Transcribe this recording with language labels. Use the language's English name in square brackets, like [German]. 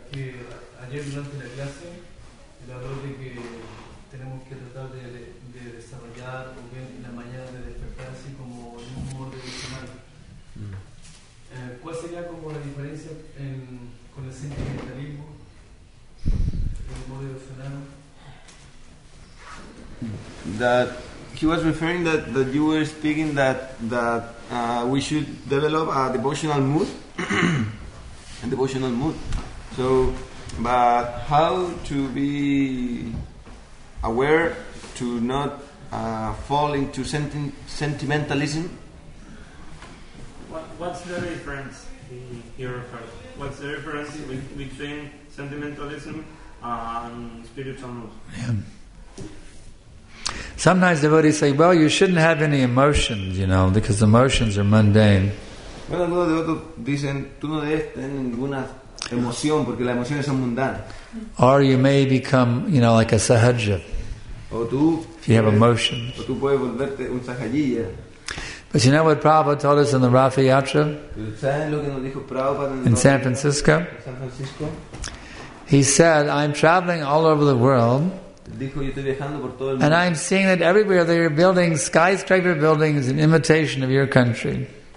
[Spanish] Ayer durante la clase, el habló de que tenemos que tratar de desarrollar o bien en la mañana de despertar así como en un humor de semana. ¿Cuál sería como la diferencia con el sentimentalismo, el modo emocional? [English] That he was referring that you were speaking that we should develop a devotional mood, a devotional mood. So, but how to be aware to not fall into sentimentalism? What's the difference here? What's the difference between sentimentalism and spiritual mood? Yeah. Sometimes devotees say, well, you shouldn't have any emotions, you know, because emotions are mundane. [Spanish] Bueno, algunos de otros dicen, tú no debes tener ninguna emoción porque las emociones son mundanas. [English] Or you may become, you know, like a sahaja. [Spanish] O tú, [English] if you have emotions. [Spanish] O tú puedes volverte un sahajilla. [English] But you know what Prabhupada told us in the Ratha Yatra? In San Francisco? He said, I'm traveling all over the world and I'm seeing that everywhere they are building skyscraper buildings in imitation of your country.